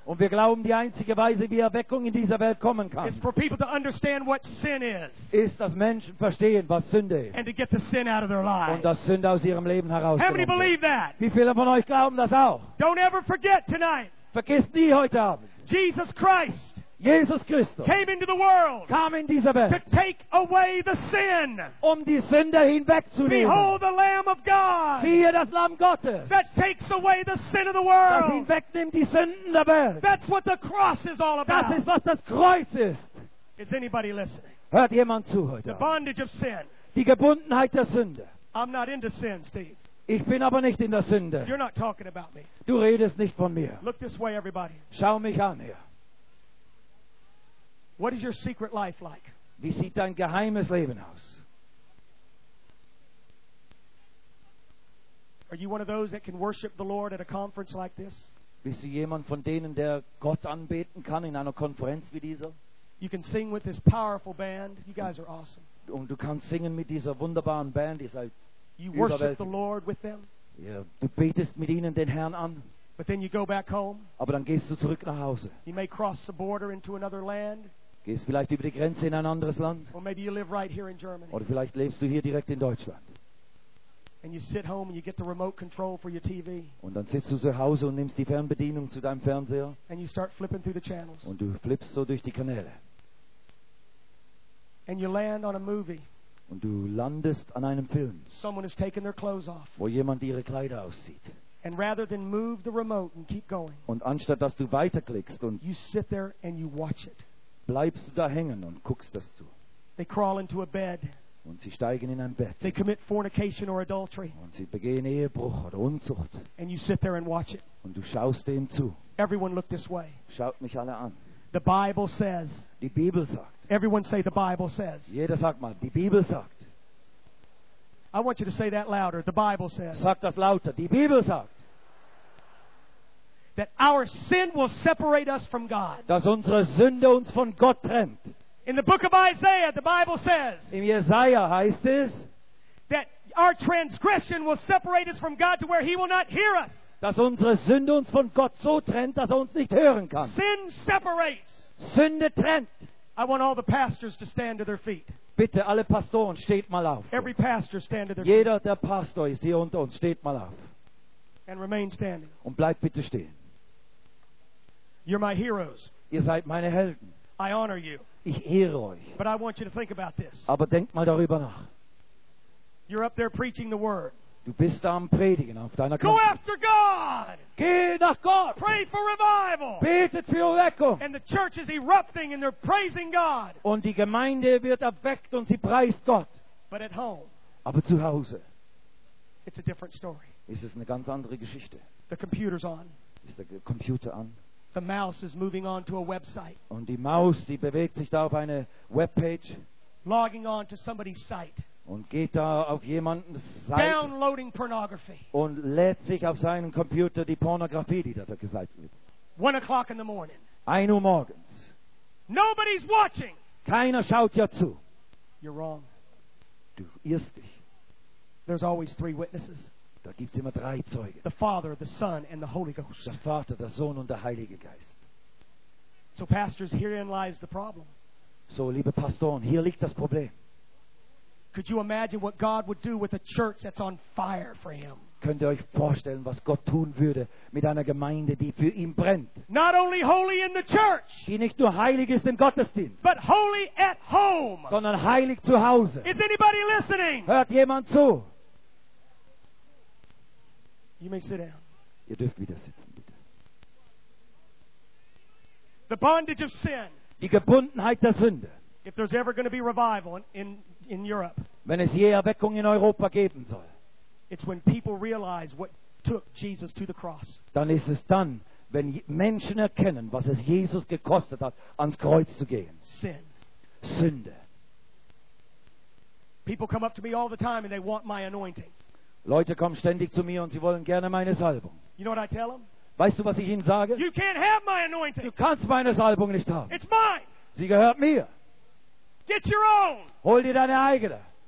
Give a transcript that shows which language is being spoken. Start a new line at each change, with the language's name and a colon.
German: Und wir glauben, die einzige Weise, wie Erweckung in dieser Welt kommen kann.
English: Is for people to understand what sin is.
German: Ist, dass Menschen verstehen, was Sünde ist.
English: To get the sin out of their lives.
German: Und das Sünde aus ihrem Leben herausgenommen.
English: How many believe that?
German: Wie viele von euch glauben das auch?
English: Don't ever forget tonight.
German: Vergiss nie heute Abend.
English: Jesus Christ.
German: Jesus Christus.
English: Came into the world.
German: Kam in diese Welt.
English: To take away the sin.
German: Um die Sünde hinwegzunehmen.
English: Behold the Lamb of God.
German: Siehe das Lamm Gottes.
English: That takes away the sin of the world.
German: Das hinwegnimmt die Sünden der Welt.
English: That's what the cross is all about.
German: Das ist was das Kreuz ist.
English: Is anybody listening?
German: Hört jemand zu heute?
English: The bondage of sin.
German: Die Gebundenheit der Sünde.
English: I'm not into sin, Steve.
German: Ich bin aber nicht in der Sünde.
English: You're not talking about me.
German: Du redest nicht von mir.
English: Look this way, everybody.
German: Schau mich an hier.
English: What is your secret life like?
German: Wie sieht dein geheimes Leben aus?
English: Are you one of those that can worship the Lord at a conference like this?
German: Bist du jemand von denen, der Gott anbeten kann in einer Konferenz wie dieser?
English: You can sing with this powerful band. You guys are awesome.
German: Und du kannst singen mit dieser wunderbaren Band. Ihr seid
English: you worship the Lord with them.
German: Ja, du betest mit ihnen den Herrn an.
English: But then you go back home.
German: Aber dann gehst du zurück nach Hause.
English: You may cross the border into another land.
German: Gehst vielleicht über die Grenze in ein anderes Land.
English: Or maybe you live right here in Germany.
German: Oder vielleicht lebst du hier direkt in Deutschland.
English: And you sit home and you get the remote control for your TV.
German: Und dann sitzt du zu Hause und nimmst die Fernbedienung zu deinem Fernseher.
English: And you start flipping through the channels.
German: Und du flippst so durch die Kanäle.
English: And you land on a movie.
German: Und du landest an einem Film.
English: Someone has taken their clothes off.
German: Wo jemand ihre Kleider auszieht.
English: And rather than move the remote and keep going.
German: Und anstatt dass du weiterklickst und
English: you sit there and you watch it.
German: Bleibst du da hängen und guckst das zu.
English: They crawl into a bed.
German: Und sie steigen in ein Bett.
English: They commit fornication or adultery.
German: Und sie begehen Ehebruch oder Unzucht.
English: And you sit there and watch it.
German: Und du schaust dem zu.
English: Everyone look this way.
German: Schaut mich alle an.
English: The Bible says.
German: Die Bibel sagt.
English: Everyone say the Bible says.
German: Jeder sagt mal, die Bibel sagt.
English: I want you to say that louder. The Bible says.
German: Sag das lauter. Die Bibel sagt.
English: That our sin will separate us from God.
German: Dass unsere Sünde uns von Gott trennt.
English: In the book of Isaiah, the Bible says.
German: In Jesaja heißt es.
English: That our transgression will separate us from God to where he will not hear us.
German: Dass unsere Sünde uns von Gott so trennt, dass er uns nicht hören kann.
English: Sin separates.
German: Sünde trennt.
English: I want all the pastors to stand to their feet.
German: Bitte alle Pastoren, steht mal auf.
English: Every pastor stand to their feet.
German: Jeder der Pastor ist hier unter uns, steht mal auf.
English: And remain standing.
German: Und bleibt bitte stehen.
English: You're my heroes.
German: Ihr seid meine Helden.
English: I honor you.
German: Ich ehre euch.
English: But I want you to think about this.
German: Aber denkt mal darüber nach.
English: You're up there preaching the word.
German: Du bist da am Predigen auf deiner
English: Kraft. Go after God.
German: Geh nach Gott.
English: Pray for revival.
German: Betet für Erweckung.
English: And the church is erupting and they're praising God.
German: Und die Gemeinde wird erweckt und sie preist Gott.
English: But at home.
German: Aber zu Hause.
English: It's a different story.
German: Ist es eine ganz andere Geschichte.
English: The computer's on.
German: Ist der Computer an?
English: The mouse is moving on to a website.
German: Und die Maus, die bewegt sich da auf eine Webpage.
English: Logging on to somebody's site.
German: Und geht da auf jemanden's Seite.
English: Downloading pornography.
German: Und lädt sich auf seinen Computer die Pornografie, die da gesagt wird.
English: 1 o'clock in the morning.
German: 1 Uhr morgens.
English: Nobody's watching.
German: Keiner schaut ja zu.
English: You're wrong.
German: Du irrst dich.
English: There's always 3 witnesses.
German: Da gibt's immer 3 Zeugen.
English: The Father, the Son, and the Holy Ghost.
German: Der Vater, der Sohn und der Heilige Geist.
English: So, pastors, herein lies the problem.
German: So, liebe Pastoren, hier liegt das Problem.
English: Could you imagine what God would do with a church that's on fire for Him?
German: Könnt ihr euch vorstellen, was Gott tun würde mit einer Gemeinde, die für ihn brennt?
English: Not only holy in the church,
German: die nicht nur heilig ist im Gottesdienst,
English: but holy at home,
German: sondern heilig zu Hause.
English: Is anybody listening?
German: Hört jemand zu?
English: You may sit down.
German: Ihr dürft wieder sitzen, bitte.
English: The bondage of sin.
German: Die Gebundenheit der Sünde.
English: If there's ever going to be revival in Europe,
German: wenn es je Erweckung in Europa geben soll,
English: it's when people realize what took Jesus to the cross.
German: Dann ist es dann, wenn Menschen erkennen, was es Jesus gekostet hat, ans Kreuz zu gehen.
English: Sin.
German: Sünde.
English: People come up to me all the time and they want my anointing.
German: Leute kommen ständig zu mir und sie wollen gerne meine Salbung.
English: You know what I tell them?
German: Weißt du, was ich ihnen sage?
English: You can't have my anointing.
German: Du kannst meine Salbung nicht haben.
English: It's mine.
German: Sie gehört mir.
English: Get your own.
German: Hol dir deine eigene.